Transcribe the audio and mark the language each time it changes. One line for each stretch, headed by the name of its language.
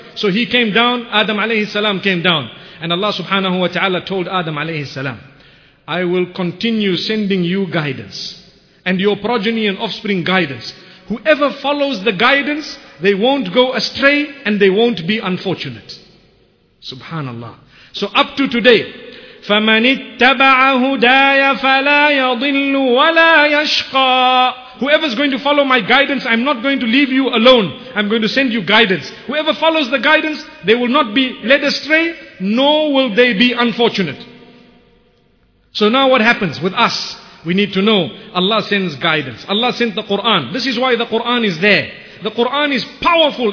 English: So he came down, Adam alayhi salam came down. And Allah subhanahu wa ta'ala told Adam alayhi salam, I will continue sending you guidance, and your progeny and offspring guidance. Whoever follows the guidance, they won't go astray and they won't be unfortunate. Subhanallah. So up to today,
Arabic: فَمَنِ اتَّبَعَ هُدَايَ فَلَا يَضِلُّ وَلَا يَشْقَى.
English: Whoever's going to follow my guidance, I'm not going to leave you alone. I'm going to send you guidance. Whoever follows the guidance, they will not be led astray, nor will they be unfortunate. So now what happens with us? We need to know, Allah sends guidance. Allah sent the Quran. This is why the Quran is there. The Quran is powerful.